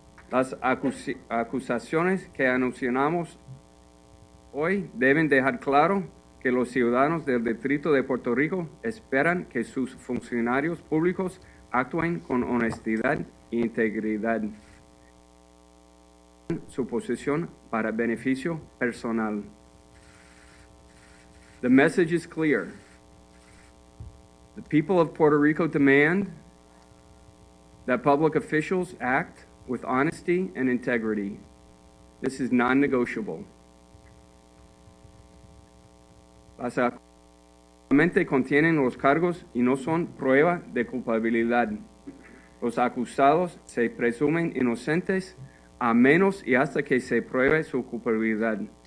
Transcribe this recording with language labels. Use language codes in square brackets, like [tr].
[es] Las acusaciones que anunciamos hoy deben dejar claro que los ciudadanos del Distrito de Puerto Rico esperan que sus funcionarios públicos actúen con honestidad e integridad en su posición para beneficio personal. [en] The message is clear. The people of Puerto Rico demand that public officials act with honesty and integrity. This is non-negotiable. [es] Las acusaciones solamente contienen los cargos y no son prueba de culpabilidad. Los acusados se presumen inocentes a menos y hasta que se pruebe su culpabilidad.